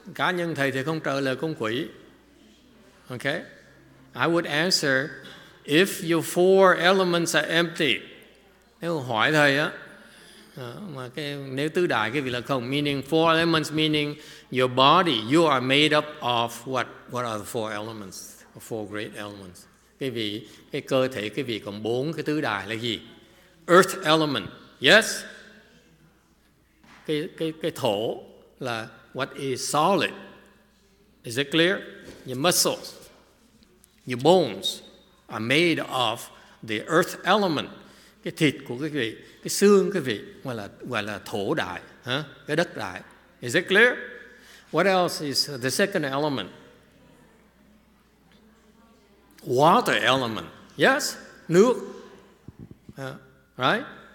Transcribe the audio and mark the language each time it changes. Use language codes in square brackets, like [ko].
[vi] Cá nhân thầy thì không trả lời con quỷ. [en] Okay? I would answer if your four elements are empty. [vi] Nếu hỏi thầy á, mà cái nếu tứ đại cái vị là không, [en] meaning four elements meaning your body, you are made up of what are the four elements? Four great elements. [vi] Cái cơ thể cái vị còn bốn cái tứ đại là gì? [en] Earth element. Yes. [vi] Cái thổ là [en] what is solid. Is it clear? Your muscles, your bones are made of the earth element. [vi] Cái thịt của cái vị, cái xương cái vị gọi là thổ đại, huh? Cái đất đại. [en] Is it clear? What else is the second element? Water element. Yes. Nước. Right?